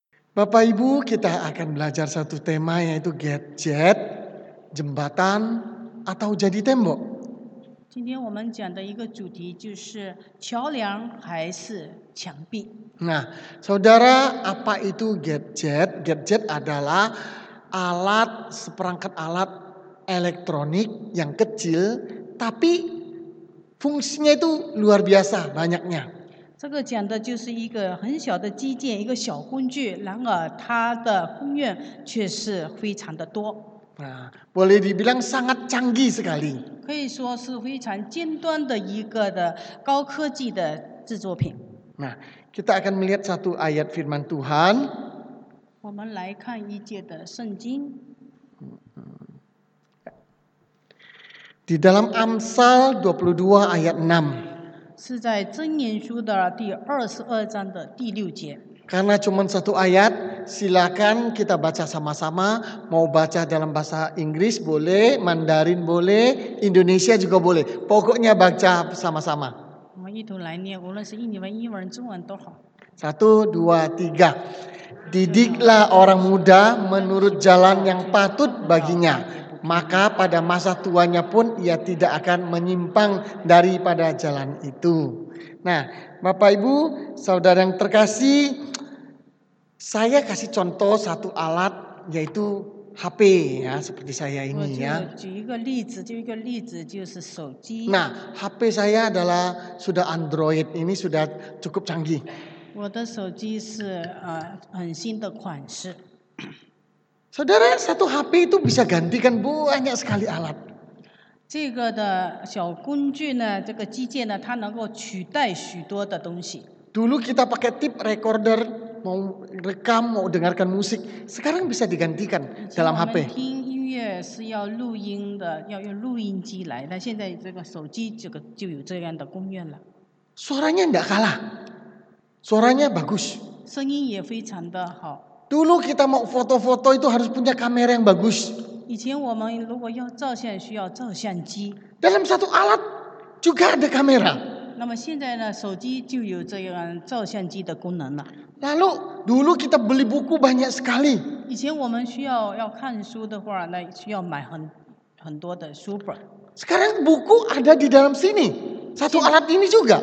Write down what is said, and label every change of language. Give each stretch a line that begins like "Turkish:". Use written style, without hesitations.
Indonesian: Bapak Ibu, kita akan belajar satu tema yaitu gadget, jembatan atau jadi tembok.
Chinese: 今天我们讲的一个主题就是桥梁还是墙壁。
Indonesian: Nah, saudara, apa itu gadget? Gadget adalah alat, seperangkat alat elektronik yang kecil, tapi fungsinya itu luar biasa banyaknya.
Chinese: 这个讲的就是一个很小的机件，一个小工具，然而它的功用却是非常的多。
Indonesian: Boleh dibilang sangat canggih sekali.
Chinese: 可以说是非常尖端的一个的高科技的制作品。
Indonesian: Nah, kita akan melihat satu ayat firman Tuhan.
Chinese: 我们来看一节的圣经。
Indonesian: Di dalam Amsal 22 ayat 6.
Chinese: 是在箴言书的第二十二章的第六节。
Indonesian: Karena cuma satu ayat, silakan kita baca sama-sama. Mau baca dalam bahasa Inggris boleh, Mandarin boleh, Indonesia juga boleh. Pokoknya baca sama-sama.
Chinese: 我们一同来念，无论是印尼文、英文、中文都好。
Indonesian: Satu, dua, tiga. Didiklah orang muda menurut jalan yang patut baginya. Maka pada masa tuanya pun ia tidak akan menyimpang daripada jalan itu. Nah, Bapak Ibu, Saudara yang terkasih, saya kasih contoh satu alat yaitu HP ya, seperti saya ini ya.
Chinese: 举一个例子就是手机。
Indonesian: Nah, HP saya adalah sudah Android, ini sudah cukup canggih.
Chinese: 我的手机是很新的款式。
Indonesian: Saudara, satu HP itu bisa gantikan banyak sekali alat.
Chinese: 这个的小工具呢，这个机械呢，它能够取代许多的东西。
Indonesian: Dulu kita pakai tape recorder, mau rekam, mau dengarkan musik, sekarang bisa digantikan dalam HP.
Chinese: 我们听音乐是要录音的，要用录音机来，但现在这个手机这个就有这样的功用了。
Indonesian: Suaranya tidak kalah, suaranya bagus.
Chinese: 声音也非常的好。
Indonesian: Dulu kita mau foto-foto itu harus punya kamera yang bagus.
Chinese: 以前我们如果要照相需要照相机。
Indonesian: Dalam satu alat juga ada kamera.
Chinese: 那么现在呢，手机就有这样照相机的功能了。
Indonesian: Lalu dulu kita beli buku banyak sekali.
Chinese: 以前我们需要要看书的话，那需要买很多的书本。
Indonesian: Sekarang buku ada di dalam sini. Satu alat ini juga.